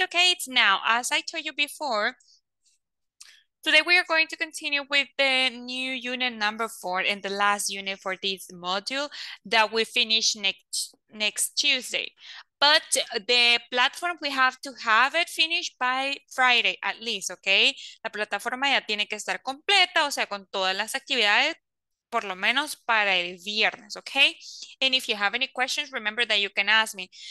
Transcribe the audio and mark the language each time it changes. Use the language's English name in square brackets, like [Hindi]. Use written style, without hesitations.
[English] Okay, it's now, as I told you before, today we are going to continue with the new unit number 4 and the last unit for this module that we finish next Tuesday. But the platform, we have to have it finished by Friday at least, okay? [Spanish] La plataforma ya tiene que estar completa, o sea, con todas las actividades, por lo menos para el viernes, okay? [English] And if you have any questions, remember that you can ask me.